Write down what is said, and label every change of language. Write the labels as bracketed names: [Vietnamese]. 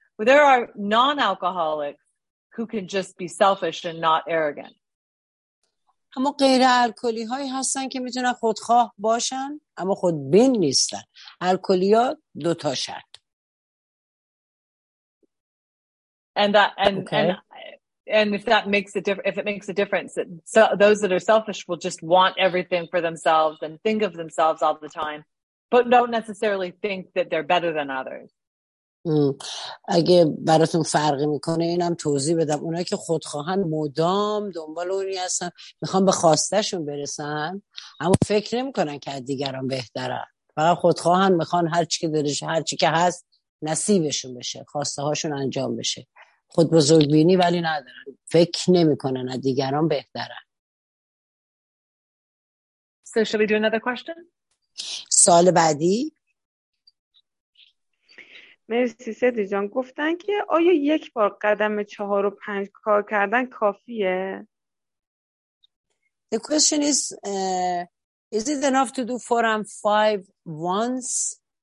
[English] There are non-alcoholics who can just be selfish and not arrogant. [Persian] اما غیر الکلی هایی هستن که میتونن خودخواه باشن اما خودبین نیستن. الکلی ها دو تا شرط. [English] And if that makes a difference, if it makes a difference, so those that are selfish will just want everything for themselves and think of themselves all the time, but don't necessarily think that they're better than others. [Persian] اگه براتون فرقی میکنه اینم توضیح بدم، اونایی که خودخواهن مدام دنبال اونی هستن میخوان به خواستشون برسن اما فکر نمیکنن که از دیگران بهترن، فقط خودخواهن میخوان هر چی که هست نصیبشون بشه، خواسته هاشون انجام بشه، خود بزرگ بینی ولی ندارن، فکر نمیکنن از دیگران بهترن. [English] So shall we do another question? [Persian] سوال بعدی. مرسی سیدی جان. گفتن که آیا یک بار قدم 4 و 5 کار کردن کافیه؟ [English] The question is, is it enough to do 4 and 5 once?